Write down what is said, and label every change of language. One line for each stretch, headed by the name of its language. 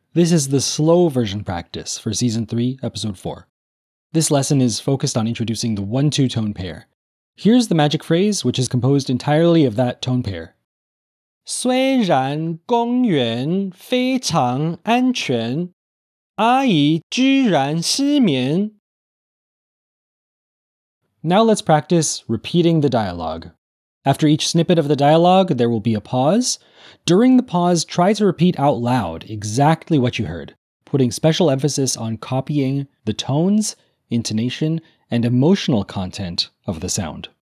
English: This is the slow version practice for Season 3, Episode 4. This lesson is focused on introducing the 1-2 tone pair. Here's the magic phrase, which is composed entirely of that tone pair.
Chinese: 雖然公園非常安全,阿姨居然失眠.
English: Now let's practice repeating the dialogue. After each snippet of the dialogue, there will be a pause. During the pause, try to repeat out loud exactly what you heard, putting special emphasis on copying the tones, intonation, and emotional content of the sound.